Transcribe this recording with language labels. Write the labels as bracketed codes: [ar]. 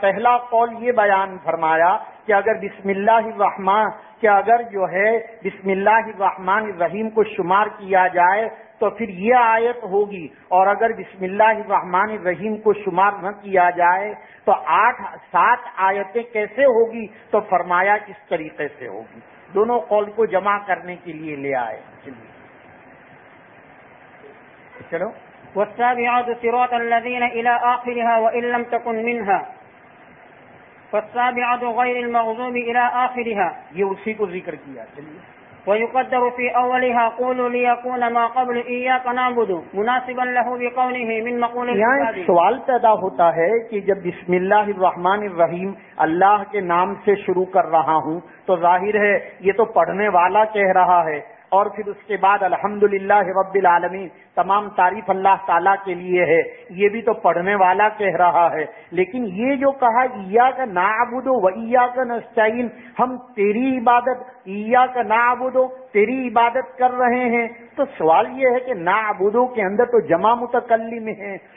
[ur] پہلا قول یہ بیان فرمایا کہ اگر بسم اللہ الرحمن کہ اگر جو ہے بسم اللہ الرحمن الرحیم کو شمار کیا جائے تو پھر یہ آیت ہوگی, اور اگر بسم اللہ الرحمن الرحیم کو شمار نہ کیا جائے تو آٹھ سات آیتیں کیسے ہوگی. تو فرمایا اس طریقے سے ہوگی. دونوں قول کو جمع کرنے کے لیے لے آئے. چلو [ar] والسابعات صراط الذين الى اخرها وان لم تكن منها فالسابعات غیر المغضوب الی آخرها، [ur] یہ اسی کو ذکر کیا. [ar] ويقدر في اولها قول ليكون ما قبل اياك نعبد مناسبا له بقوله من مقوله. [ur] یہاں ایک سوال پیدا ہوتا ہے کہ جب بسم اللہ الرحمن الرحیم اللہ کے نام سے شروع کر رہا ہوں تو ظاہر ہے یہ تو پڑھنے والا کہہ رہا ہے، اور پھر اس کے بعد [ar] الحمدللہ رب العالمین، [ur] تمام تعریف اللہ تعالیٰ کے لیے ہے، یہ بھی تو پڑھنے والا کہہ رہا ہے، لیکن یہ جو کہا [ar] ایاک نعبد و ایاک نستعین، [ur] ہم تیری عبادت، ایاک نعبد و تیری عبادت کر رہے ہیں، تو سوال یہ ہے کہ نعبد کے اندر تو جمع متکلم ہے،